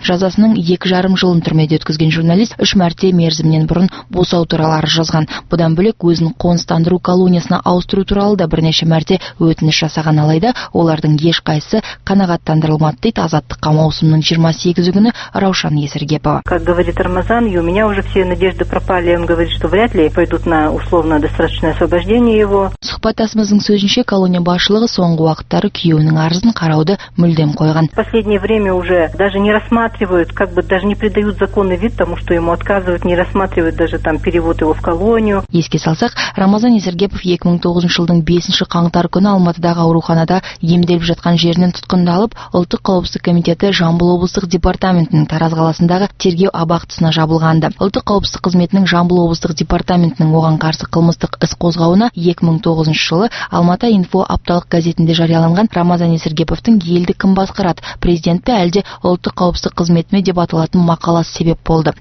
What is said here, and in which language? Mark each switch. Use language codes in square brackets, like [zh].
[kk] Жазасының 2,5 жылын түрмеде өткізген журналист 3 мәрте мерзімінен бұрын босау туралы жазған. Бұдан бөлек өзін қоныстандыру колониясына ауыстыру туралы да бірнеше мәрте өтініш жасаған, алайда олардың ешқайсысы қанағаттандырылмады, дейді Азаттыққа маусымның 28 күні Раушан Есіргепов. [ru] Как говорит Рамазан, и у меня уже все надежды пропали. Он говорит, что вряд ли пойдут на условно-досрочное освобождение его. [kk] Сұхбаттасымыздың сөзінше колония басшылығы соңғы уақыттары күйеуінің арызын қарауды мүлдем қойған. [ru] В последнее время уже даже не рассматривают, как бы даже не придают законный вид тому, что ему отказывают, не рассматривают даже там перевод его в колонию. [kk] Еске салсақ, Рамазан Есіргепов 2009 жылдың 5 қаңтар күні Алматыдағы ауруханада емделіп жатқан жерінен тұтқындалып, Ұлттық қауіпсіздік комитеті Жамбыл облыстық департаментінің Тараз қаласындағы тергеу абақтысына жабылғанды. Ұлттық қауіпсіздік қызметінің Жамбыл облыстық департаментінің оған қарсы қылмыстық іс қозғауына 2009 жылы Алматы инфо апталық газетінде жарияланған Рамазан Есіргеповтің елді кім басқарады, президент пе әлде ұлттық қауіпсіздік қызметі ме деп аталатын мақаласы себеп болды.